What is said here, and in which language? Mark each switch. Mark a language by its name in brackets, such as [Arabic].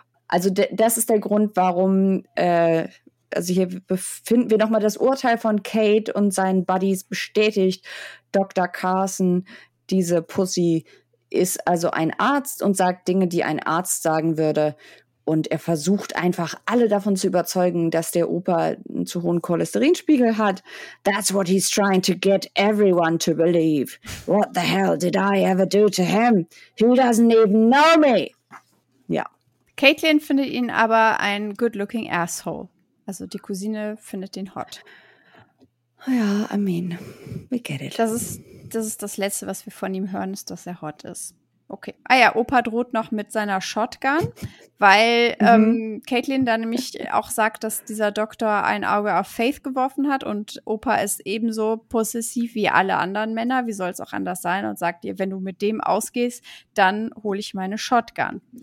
[German] Also das ist der Grund, warum also hier befinden wir nochmal das Urteil von Kate und seinen Buddies bestätigt. Dr. Carson, diese Pussy, ist also ein Arzt und sagt Dinge, die ein Arzt sagen würde. Und er versucht einfach, alle davon zu überzeugen, dass der Opa einen zu hohen Cholesterinspiegel hat. [English] That's what he's trying to get everyone to believe. What the hell did I ever do to him? He doesn't even know me. Ja. [German] Caitlin findet ihn aber ein [English] good-looking asshole. [German] Also die Cousine findet den hot. [English] Ja, I mean, we get it. [German] Das ist das Letzte, was wir von ihm hören, ist, dass er hot ist. Okay. Ah ja, Opa droht noch mit seiner Shotgun, weil Caitlin da nämlich auch sagt, dass dieser Doktor ein Auge auf Faith geworfen hat und Opa ist ebenso possessiv wie alle anderen Männer, wie soll es auch anders sein, und sagt ihr, wenn du mit dem ausgehst, dann hole ich meine Shotgun.